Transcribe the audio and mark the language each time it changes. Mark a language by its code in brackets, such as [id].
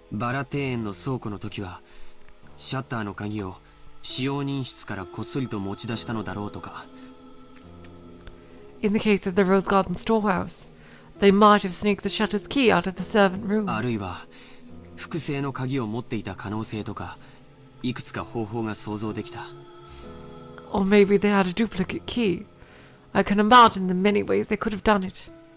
[ja] バラ庭園の倉庫の時は、シャッターの鍵を 使用人室からこっそりと持ち出したのだろうとか。 [en] In the case of the Rose Garden storehouse, they might have sneaked the shutter's key out of the servant room. [ja] あるいは複製の鍵を持っていた可能性とか、いくつか方法が想像できた。 [en] Or maybe they had a duplicate key. I can imagine the many ways they could have done it.